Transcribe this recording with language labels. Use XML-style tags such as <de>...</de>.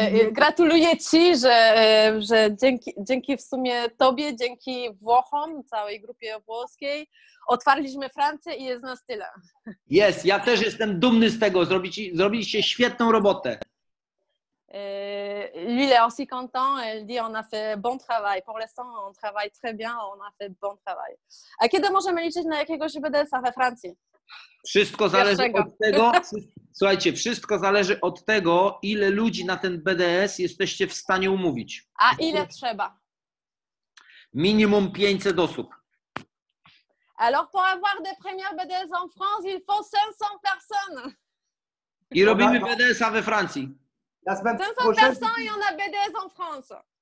<pl>Gratuluję ci, że dzięki w sumie tobie, dzięki Włochom, całej grupie włoskiej, otwarliśmy Francję i jest nas tyle. Jest, ja też jestem dumny z tego, zrobiliście świetną robotę.</pl> <fr>Lui il est aussi content, elle dit on a fait bon travail. Pour l'instant on travaille très bien, on a fait bon travail.</fr> <pl>A kiedy możemy liczyć na jakiegoś BDS-a we Francji? Wszystko zależy od tego, słuchajcie, wszystko zależy od tego, ile ludzi na ten BDS jesteście w stanie umówić. A ile trzeba? Minimum 500 osób.</pl> <fr>Alors pour avoir des premières BDS en France, il faut 500 personnes.</fr> <pl>I robimy BDS-a we Francji.</pl> <fr>500 personnes et on a BDS en France.</fr>